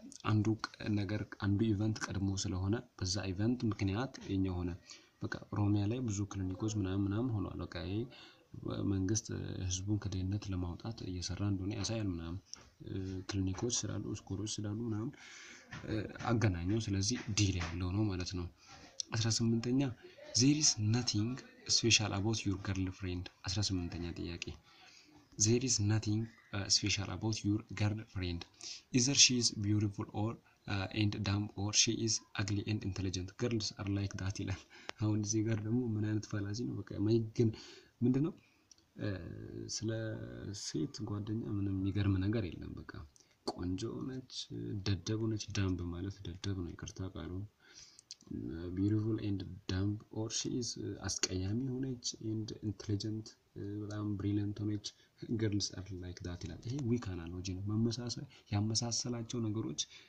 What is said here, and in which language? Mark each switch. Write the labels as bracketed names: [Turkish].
[Amharic] አንዱ ነገር አንዱ ኢቨንት ቀድሞ ስለሆነ በዛ ኢቨንት ምክንያት የኛ ሆነ። በቃ ሮሚያ ላይ ብዙ ክሊኒኮች ምናምን ምናምን ሆኗል። በቃ ይሄ መንግስት ህዝቡን ከድህነት ለማውጣት እየሰራ እንደሆነ ያሳያል ምናምን። ክሊኒኮች ስላሉ ስኩሎች ስላሉ ምናምን አገናኘው። ስለዚህ ዲ ላይ ያለው ነው ማለት ነው። 18ኛ [English] there is nothing special about your girlfriend. [Amharic] 18ኛ ጥያቄ [English] there is nothing special about your girlfriend. Either she is beautiful or and dumb or she is ugly and intelligent. Girls are like that [Amharic] ይላል። አሁን እዚህ ጋር ደግሞ ምን አይነት ፋላሲ ነው? በቃ ማይ ግን ምንድነው ስለ ሴት ጓደኛ ምንም የሚገርም ነገር የለም። በቃ ቆንጆ ነች፣ ደደብ ነች። ዳምብ ማለት ደደብ ነው፣ ይቅርታ ቃሉ [English] beautiful and dumb or she is [Amharic] አስቀያሚ ሆነች [English] and intelligent [Amharic] በጣም brilliant ሆነች። [English] girls are like that [Amharic] ይላል። ይሄ weak analogy ነው። መመሳሰል ያመሳሰላቸው ነገሮች